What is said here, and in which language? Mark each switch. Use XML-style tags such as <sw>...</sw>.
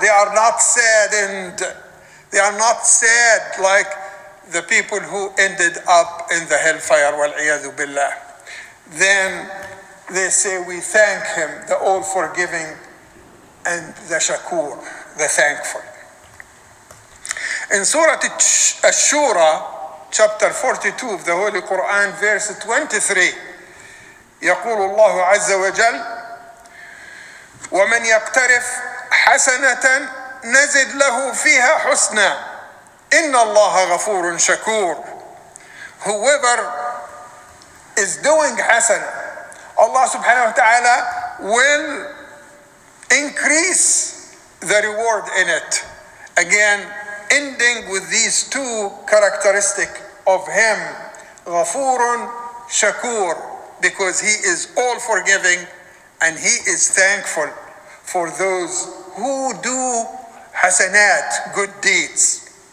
<en>They are not sad, and they are not sad like the people who ended up in the hellfire, wal-iyadu billah. Then they say, we thank him, the all-forgiving, and the shakur, the thankful. In Surah Ash-Shura, chapter 42 of the Holy Quran, verse 23,</en> <ar>يقول الله عز وجل, وَمَنْ يَقْتَرِفْ حَسَنَةً نَزِدْ لَهُ فِيهَا حُسْنًا إِنَّ اللَّهَ غَفُورٌ شَكُورٌ.</ar> <en>Whoever is doing hasan, Allah subhanahu wa ta'ala will increase the reward in it. Again, ending with these two characteristics of him,</en> <ar>غَفُورٌ شَكُورٌ,</ar> <en>because he is all forgiving and he is thankful for those who do hasanat, good deeds.</en>